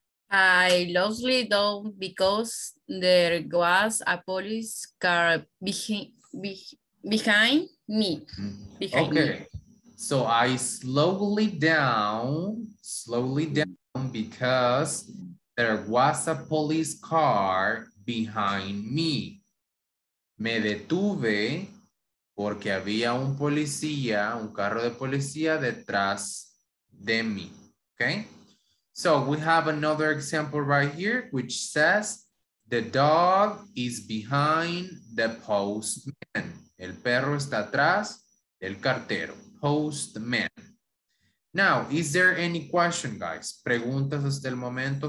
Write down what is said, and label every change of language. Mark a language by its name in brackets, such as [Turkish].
[English] I lost it down because there was a police car behind me. Behind okay. Me. So I slowly down because there was a police car behind me. [Spanish] Me detuve porque había un policía, un carro de policía detrás de mí. [English] Okay. So we have another example right here, which says the dog is behind the postman. [Spanish] El perro está atrás del cartero. Postman. [English] Now, is there any question, guys? [Spanish] Preguntas hasta el momento.